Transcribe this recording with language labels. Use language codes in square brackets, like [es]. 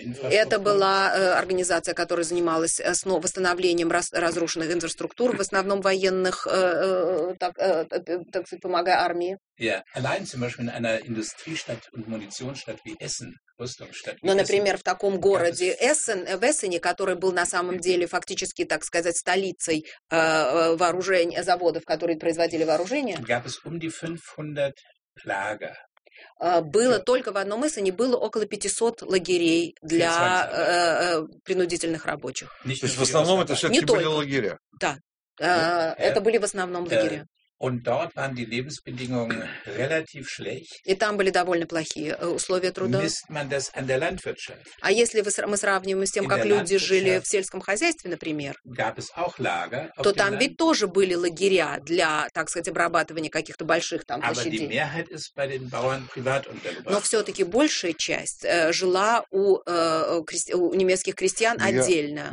[ru] Это была организация, которая занималась восстановлением разрушенных инфраструктур, в основном военных, так сказать, помогая армии. [de] Allein zum Beispiel in einer Industriestadt und Munitionsstadt wie Essen, Rüstungsstadt. [ru] Но, например, в таком городе Эссен, в Эссене, который был на самом деле фактически, так сказать, столицей вооружения заводов, которые производили вооружение. [de] Gab es um die 500 Lager. [ru] Было только в одном Эссене было около 500 лагерей для принудительных рабочих. То есть в основном это все-таки были лагеря. Да, это были в основном лагеря. [de] Und dort waren die Lebensbedingungen relativ schlecht. Misst man das an der Landwirtschaft? [ru] А если мы сравниваем с тем, как люди жили в сельском хозяйстве, например, [de] gab es auch Lager auf [ru] то там ведь тоже были лагеря для, так сказать, обрабатывания каких-то больших там площадей. [de] Aber die Mehrheit ist bei den Bauern privat untergebracht. [ru] Но все-таки большая часть жила у, у немецких крестьян отдельно.